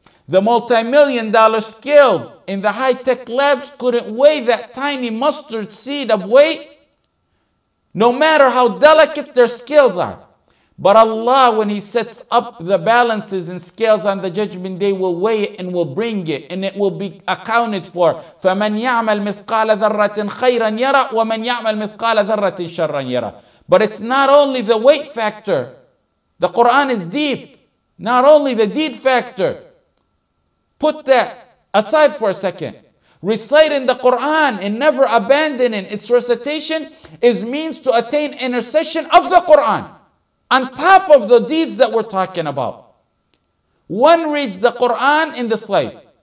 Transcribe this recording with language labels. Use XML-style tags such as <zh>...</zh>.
<en>The multi-million dollar scales in the high-tech labs couldn't weigh that tiny mustard seed of weight, no matter how delicate their scales are. But Allah, when He sets up the balances and scales on the judgment day, will weigh it and will bring it, and it will be accounted for.</en> <ar>فَمَنْ يَعْمَلْ مِثْقَالَ ذَرَّةٍ خَيْرًا يَرَى وَمَنْ يَعْمَلْ مِثْقَالَ ذَرَّةٍ شَرًّا يَرَى</ar> <en>But it's not only the weight factor. The Quran is deep. Not only the deed factor. Put that aside for a second. Reciting the Quran and never abandoning its recitation is means to attain intercession of the Quran. On top of the deeds that we're talking about. One reads the Quran in this life.</en>